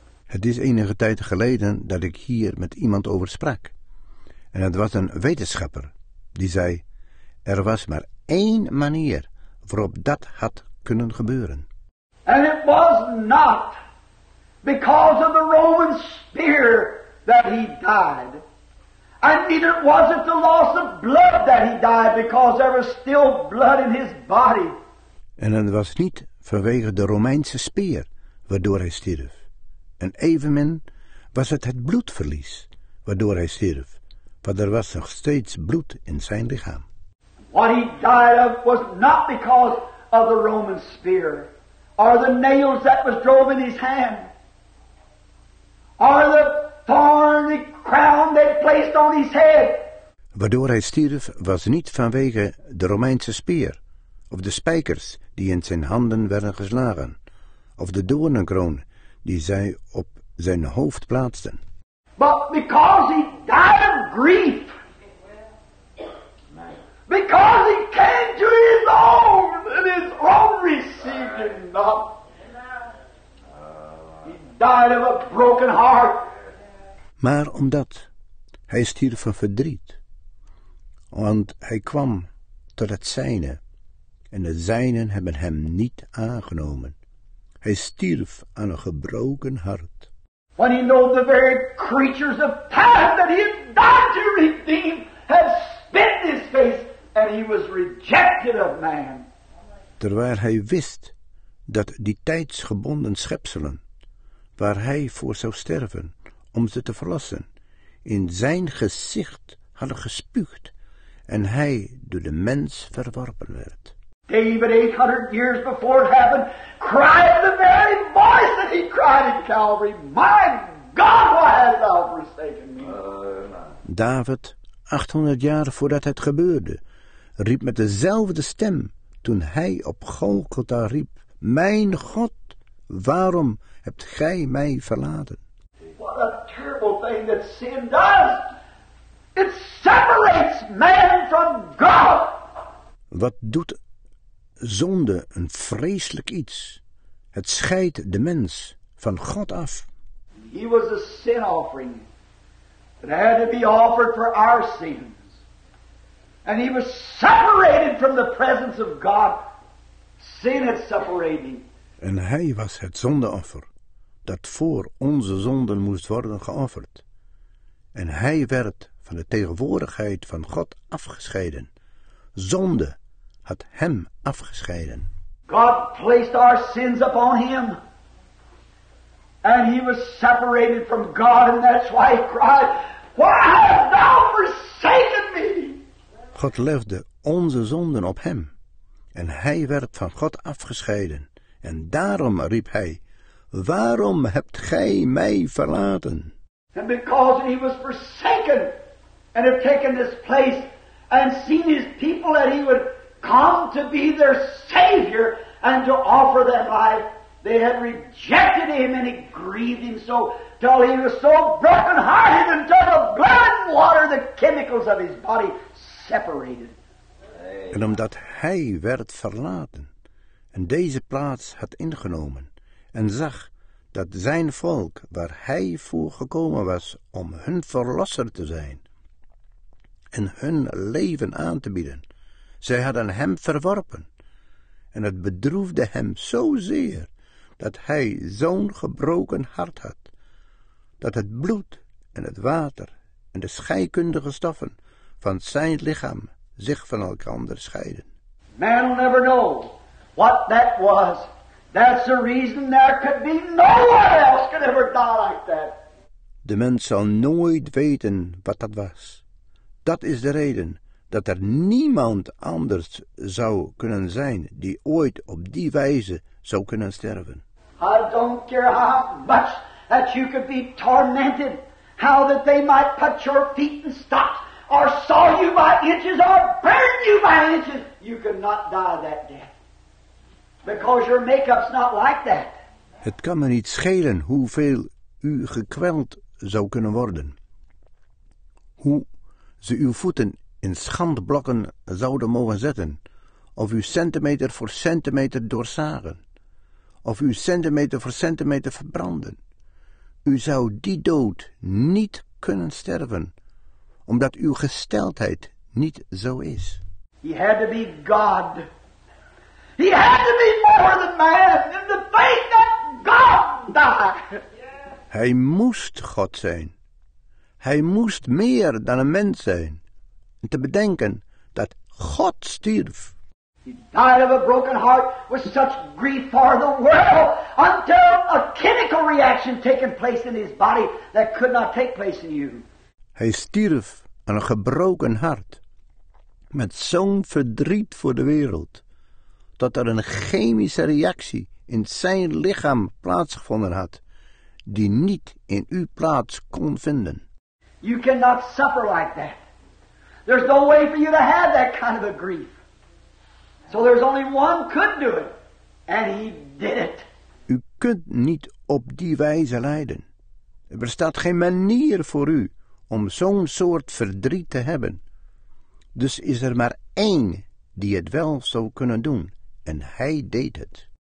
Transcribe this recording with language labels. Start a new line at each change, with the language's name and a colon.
Dutch: Het is enige tijd geleden dat ik hier met iemand over sprak, en het was een wetenschapper die zei: er was maar één manier waarop dat had kunnen gebeuren.
English: And it was not because of the Roman spear that he died. And neither was it the loss of blood that he died, because there was still blood in his body.
Dutch: En het was niet vanwege de Romeinse speer waardoor hij stierf. En evenmin was het het bloedverlies waardoor hij stierf, want er was nog steeds bloed in zijn lichaam.
English: What he died of was not because of the Roman spear, or the nails that was drove in his hand, or the thorny crown they placed on his head.
Dutch: Waardoor hij stierf was niet vanwege de Romeinse speer, of de spijkers die in zijn handen werden geslagen, of de doornenkroon die zij op zijn hoofd plaatsten.
English: But because he died of grief. Because he came to his own, and his own received him not. He died of a broken heart.
Dutch: Maar omdat hij stierf van verdriet, want hij kwam tot het zijne, en de zijnen hebben hem niet aangenomen. Hij stierf aan een gebroken hart.
English: When he knew the very creatures of time that he had died to redeem had spit in his face, and he was rejected of man.
Dutch: Terwijl hij wist dat die tijdsgebonden schepselen, waar hij voor zou sterven om ze te verlossen, in zijn gezicht hadden gespuugd en hij door de mens verworpen werd.
English: David, 800 years before it happened, cried the very voice that he cried in Calvary, "My God, why hast thou forsaken me?"
Dutch: David, 800 jaar voordat het gebeurde, riep met dezelfde stem toen hij op Golgotha riep, "Mijn God, waarom hebt gij mij verlaten?"
English: What a terrible thing that sin does! It separates man from God!
Dutch: Wat doet zonde een vreselijk iets? Het scheidt de mens van God af.
English: He was a sin offering that had to be offered for our sins. And he was separated from the presence of God. Sin had separated him.
Dutch: En hij was het zondeoffer dat voor onze zonden moest worden geofferd. En hij werd van de tegenwoordigheid van God afgescheiden. Zonde had hem afgescheiden.
English: God placed our sins upon him. And he was separated from God, and that's why he cried, "Why hast thou forsaken me?"
Dutch: God legde onze zonden op hem. En hij werd van God afgescheiden. En daarom riep hij, "Waarom hebt gij mij verlaten?"
English: And because he was forsaken and had taken this place and seen his people that he would come to be their savior and to offer them life, they had rejected him, and he grieved him so till he was so broken hearted until the blood and water, the chemicals of his body, separated.
Dutch: En omdat hij werd verlaten en deze plaats had ingenomen, en zag dat zijn volk, waar hij voor gekomen was om hun verlosser te zijn en hun leven aan te bieden, zij hadden hem verworpen. En het bedroefde hem zozeer dat hij zo'n gebroken hart had, dat het bloed en het water en de scheikundige stoffen van zijn lichaam zich van elkaar scheiden.
English: Man will never know what that was. That's the reason there could be no one else could ever die like that.
Dutch: De mens zal nooit weten wat dat was. Dat is de reden dat er niemand anders zou kunnen zijn die ooit op die wijze zou kunnen sterven.
English: I don't care how much that you could be tormented, how that they might put your feet in stocks, or saw you by inches, or burn you by inches, you could not die that death. Because your makeup's not like that.
Dutch: Het kan me niet schelen hoeveel u gekweld zou kunnen worden, hoe ze uw voeten in schandblokken zouden mogen zetten, of u centimeter voor centimeter doorzagen, of u centimeter voor centimeter verbranden. U zou die dood niet kunnen sterven, omdat uw gesteldheid niet zo is.
English: He had to be God. He had to be more than man in the faith that God died.
Dutch: Hij moest God zijn. Hij moest meer dan een mens zijn. En te bedenken dat God stierf.
English: He died of a broken heart with such grief for the world until a chemical reaction taken place in his body that could not take place in you.
Dutch: Hij stierf aan een gebroken hart met zo'n verdriet voor de wereld dat er een chemische reactie in zijn lichaam plaatsgevonden had die niet in uw plaats kon vinden.
English: You cannot suffer like that. There's no way for you to have that kind of a grief. So there's only one could do it, and he did it.
Dutch: U kunt niet op die wijze lijden. Er bestaat geen manier voor u om zo'n soort verdriet te hebben. Dus is er maar één die het wel zou kunnen doen, en hij deed het.